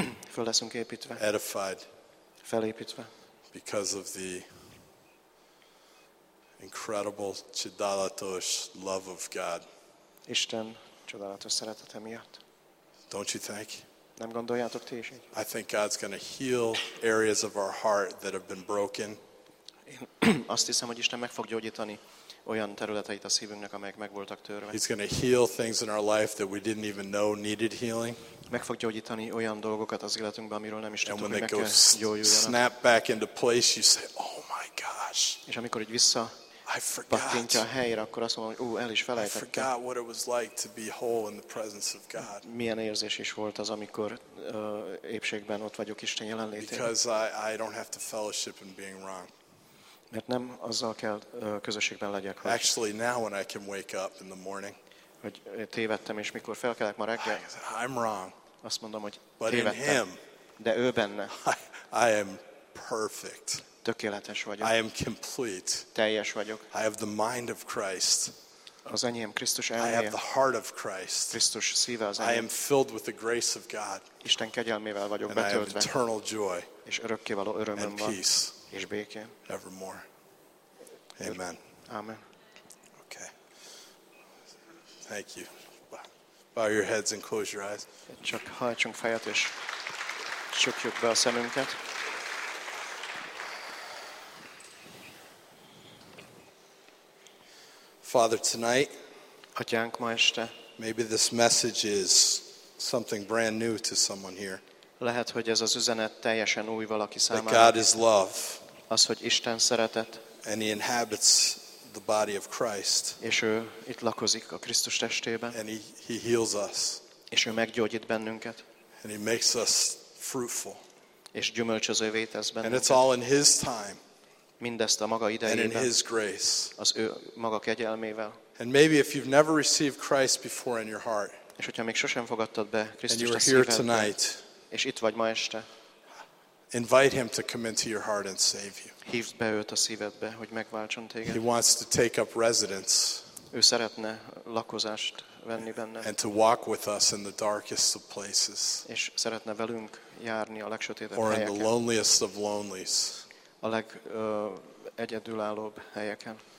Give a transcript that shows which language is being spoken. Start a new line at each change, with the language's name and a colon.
Hungarian: Föl leszünk építve.
English: Edified.
Hungarian: Felépítve.
English: Because of the incredible
Hungarian: csodálatos
English: love of God.
Hungarian: Isten csodálatos szeretete miatt.
English: Don't you think?
Hungarian: Nem gondoljátok ti is így?
English: I think God's going to heal areas of our heart that have been broken.
Hungarian: Én azt hiszem, hogy Isten meg fog gyógyítani olyan területeit a szívünknek, amelyek meg voltak törve.
English: He's going to heal things in our life that we didn't even know needed healing.
Hungarian: Meg fog gyógyítani olyan dolgokat az életünkben, amiről nem is tudtuk, hogy meg kell gyógyuljanak.
English: Snap back into place, you say, oh my gosh.
Hungarian: És amikor így vissza pattintja a helyére, akkor azt mondom, hogy el is felejtettem.
English: I forgot what it was like to be whole in the presence of God.
Hungarian: Milyen érzés is volt az, amikor épségben ott vagyok Isten jelenlétében.
English: Because I don't have to fellowship in being wrong.
Hungarian: Mert nem azzal kell közösségben legyek.
English: Actually, now when I can wake up in the morning,
Hungarian: hogy tévedtem, és mikor felkelek ma reggel,
English: I'm wrong.
Hungarian: Azt mondom, hogy
English: but
Hungarian: tévedtem,
English: in him,
Hungarian: de ő benne.
English: I am perfect.
Hungarian: Tökéletes vagyok.
English: I am complete.
Hungarian: Teljes vagyok.
English: I have the mind of Christ.
Hungarian: Az enyém Krisztus elméje.
English: I have the heart of Christ.
Hungarian: Krisztus szíve az enyém.
English: I am filled with the grace of God.
Hungarian: Isten kegyelmével vagyok
English: and
Hungarian: betöltve.
English: I have eternal joy
Hungarian: és örökkévaló örömöm
English: and peace
Hungarian: van, és béke.
English: Evermore. Amen.
Hungarian: Amen.
English: Thank you. Bow your heads and close your eyes.
Hungarian: Csak hajtsunk fejet és csukjuk be a szemünket.
English: Father, tonight,
Hungarian: Atyánk, ma este,
English: maybe this message is something brand new to someone here.
Hungarian: Lehet, hogy ez az üzenet teljesen új valaki számára.
English: That God is love.
Hungarian: Az, hogy Isten szeretet.
English: And he inhabits the body of Christ.
Hungarian: És ő itt lakozik a Krisztus testében.
English: And he heals us.
Hungarian: És ő meggyógyít bennünket.
English: And he makes us fruitful.
Hungarian: És gyümölcsözővé tesz bennünket.
English: And it's all in his time.
Hungarian: Mindezt a maga idejében.
English: And in his grace.
Hungarian: Az ő maga kegyelmével.
English: And maybe if you've never received Christ before in your heart.
Hungarian: És hogyha még sosem fogadtad be Krisztust a szívedbe.
English: And you're here tonight.
Hungarian: És itt vagy ma este.
English: Invite him to come into your heart and save you.
Hungarian: Hívd be őt a szívedbe, hogy megváltson téged.
English: He wants to take up residence.
Hungarian: Ő szeretne lakozást venni benne.
English: And to walk with us in the darkest of places.
Hungarian: És szeretne velünk járni a legsötétebb helyeken.
English: Or in the loneliest of lonelies.
Hungarian: A legegyedülállóbb helyeken.